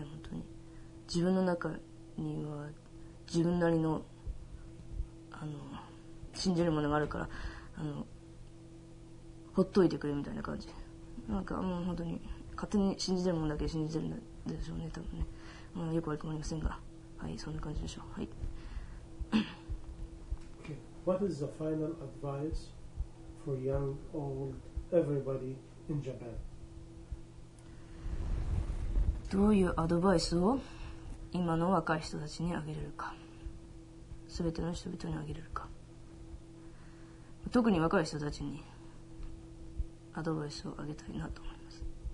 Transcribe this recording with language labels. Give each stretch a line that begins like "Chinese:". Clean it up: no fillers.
Japanese: 本当に自分の中には自分なりの、あの、信じるものがあるから、あの、ほっといてくれみたいな感じ。なんかもう本当に勝手に信じてるもんだけ信じてるんでしょうね、多分ね。まあよくわかりませんが、はい、そんな感じでしょう。はい。
English: Okay. What is the final advice for young, old, everybody in Japan?
Japanese: どういうアドバイスを今の若い人たちにあげれるか、すべての人々にあげれるか、特に若い人たちに。アドバイスをあげたいなと思います。